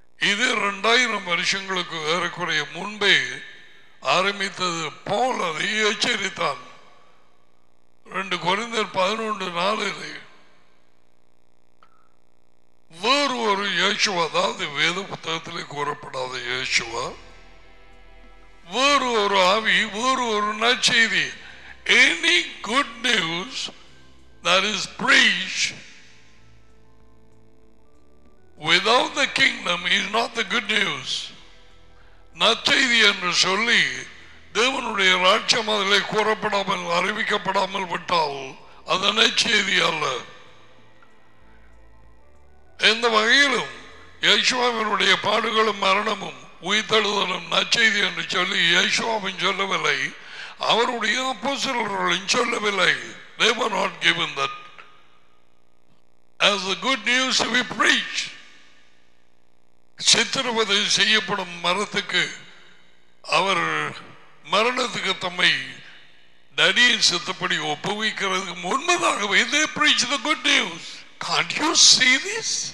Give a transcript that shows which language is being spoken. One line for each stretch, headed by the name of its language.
Tamil: இது 2000 வருஷங்களுக்கு ஏறக்குறைய முன்பே ஆரம்பித்தது போல அதை எச்சரித்தான். 2 கொரிந்தியர் 11:4 வேறு ஒரு யேசுவா, அதாவது வேத புத்தகத்திலே கூறப்படாத யேசுவா, வேறு ஒரு ஆவி, வேறு ஒரு நற்செய்தி.
English: Any good news that is preached without the kingdom is not the good news.
Tamil: நற்செய்தி என்று சொல்லி தேவனுடைய ராஜ்யம் அதில் கூறப்படாமல் அறிவிக்கப்படாமல் விட்டால் அதனை செய்தி அல்ல. எந்த வகையிலும் யேசுவாவினுடைய பாடுகளும் மரணமும் உயிர்த்தெழுதலும் நற்செய்தி என்று சொல்லி யேசுவாவும் சொல்லவில்லை, அவருடைய அப்போஸ்தலர்களும் சொல்லவில்லை.
English: They were not given that as the good news we preach.
Tamil: சித்திரவதை செய்யப்படும் மரத்துக்கு அவர் மரணத்துக்கு தம்மை நடியின் சித்தப்படி ஒப்புவிக்கிறதுக்கு முன்பதாகவே
English: they preach the good news. Can't you see this?